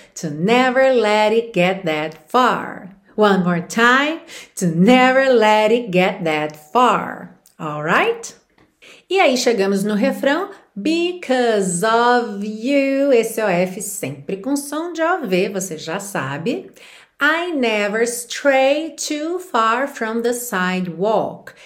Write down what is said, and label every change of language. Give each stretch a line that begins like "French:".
English: To never let it get that far. One more time. To never let it get that far. All right?
Portuguese: E aí, chegamos no refrão.
English: Because of you,
Portuguese: esse OF sempre com som de OV, você já sabe.
English: I never stray too far from the sidewalk.